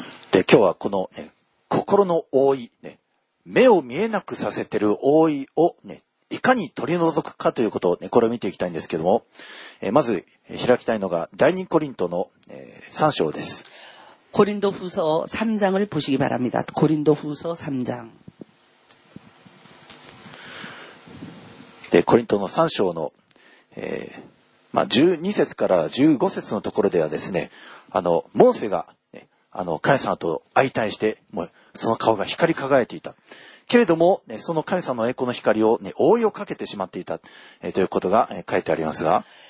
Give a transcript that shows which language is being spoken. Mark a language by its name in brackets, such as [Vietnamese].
[Japanese] で、今日はこの、ね、心の覆い、ね、目を見えなくさせている覆いを、ね、いかに取り除くかということを、ね、これを見ていきたいんですけども、まず開きたいのが第2コリントの、3章です。 [Korean] 고린도후서3장을보시기바랍니다고린도후서3장 [Japanese] 네고린도の3章の、まあ、12節から15節のところではですね、あのモーセが、ね、あの神様と相対してもうその顔が光り輝いていたけれども、ね、その神様の栄光の光を、ね、覆いをかけてしまっていた、ということが、書いてありますが